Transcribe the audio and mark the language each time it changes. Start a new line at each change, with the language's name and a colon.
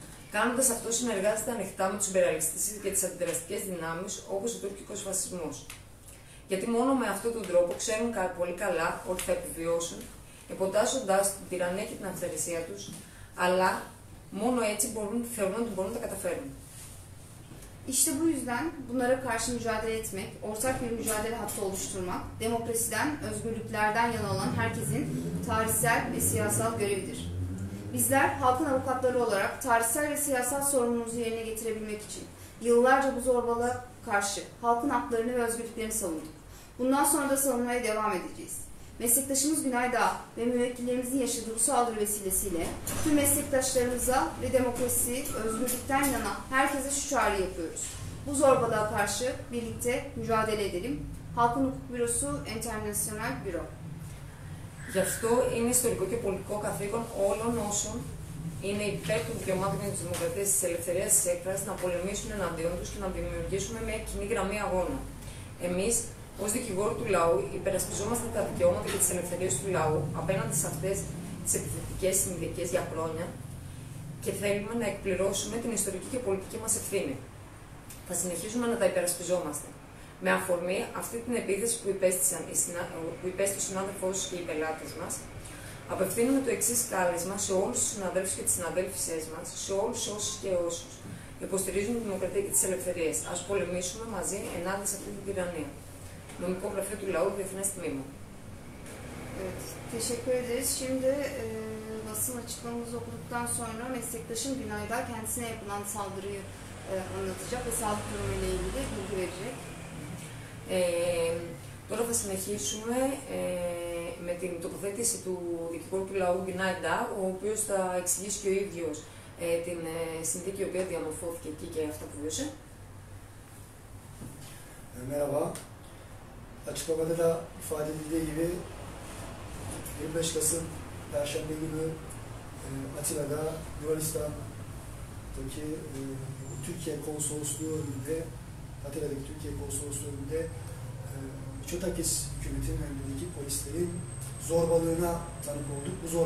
Greek: Κάνοντας αυτό, συνεργάζεται ανοιχτά με τους υπεραλιστές και τις αντιδραστικές δυνάμεις, όπως ο τουρκικός φασισμός. Γιατί μόνο με αυτόν τον τρόπο ξέρουν πολύ καλά ότι θα επιβιώσουν, εποντάσσοντας την τυραννία και την αυθαιρεσία τους, αλλά μόνο έτσι θεωρούν ότι μπορούν να τα καταφέρουν.
Turkish: İşte bu yüzden bunlara karşı mücadele etmek, ortak bir mücadele hattı oluşturmak, demokrasiden, özgürlüklerden yana olan herkesin tarihsel ve siyasal görevidir. Bizler halkın avukatları olarak tarihsel ve siyasal sorumluluğumuzu yerine getirebilmek için yıllarca bu zorbalığa karşı halkın haklarını ve özgürlüklerini savunduk. Bundan sonra da savunmaya devam edeceğiz. Meslektaşımız Günay Dağ ve müvekkillerimizin yaşadığı bu saldırı vesilesiyle tüm meslektaşlarımıza ve demokrasi, özgürlükten yana herkese şu çağrı yapıyoruz. Bu zorbalığa karşı birlikte mücadele edelim. Halkın Hukuk Bürosu, Enternasyonel Büro.
Greek: Γι' αυτό είναι ιστορικό και πολιτικό καθήκον όλων όσων είναι υπέρ των δικαιωμάτων και της δημοκρατίας, της ελευθερίας, της έκφρασης, να πολεμήσουν εναντίον τους και να δημιουργήσουμε μια κοινή γραμμή αγώνα. Εμείς, ως δικηγόρο του λαού, υπερασπιζόμαστε τα δικαιώματα και τις ελευθερίες του λαού απέναντι σε αυτές τις επιθετικές συνδικές για χρόνια και θέλουμε να εκπληρώσουμε την ιστορική και πολιτική μας ευθύνη. Θα συνεχίσουμε να τα υπερασπιζόμαστε. Με αφορμή αυτή την επίθεση που υπέστη ο συνάδελφός και οι πελάτες μας, απευθύνουμε το εξής κάλεσμα σε όλους τους συναδέλφους και τις συναδέλφισές μας, σε όλους όσους και όσους υποστηρίζουν τη δημοκρατία και τις ελευθερίες. Ας πολεμήσουμε μαζί ενάντια σε αυτή την τυραννία. Νομικό γραφείο του λαού, Διεθνές Τμήμα.
Turkish: Evet, teşekkür ederiz. Şimdi basın açıklamamızı okuduktan sonra meslektaşım Günaydar kendisine yapılan saldırıyı anlatacak ve sağlık durumu ile ilgili bilgi verecek.
Greek: Τώρα θα συνεχίσουμε με την τοποθέτηση του δικηγόρου του λαού Günaydar, ο οποίος θα εξηγήσει και ο ίδιος την συνθήκη η οποία διαμορφώθηκε εκεί και αυτά που βίωσε.
Turkish: Merhaba. Açıklamada da ifade edildiği gibi 25 Kasım Perşembe günü Atina'da Yunanistan'daki Türkiye Konsolosluğu önünde Atina'daki Türkiye Konsolosluğu önünde Çotakis hükümetinin önündeki polislerin zorbalığına tanık olduk.